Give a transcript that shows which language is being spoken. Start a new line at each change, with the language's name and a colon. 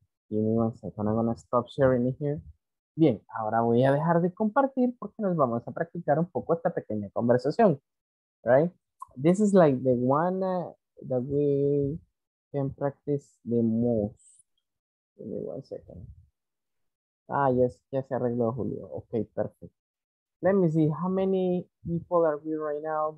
English: Give me one second, I'm gonna stop sharing it here.
Spanish: Bien, ahora voy a dejar de compartir porque nos vamos a practicar un poco esta pequeña conversación, right?
English: This is like the one that we can practice the most. Give me one second. Ah, yes,
Spanish: ya se arregló Julio.
English: Okay, perfect. Let me see how many people are we right now.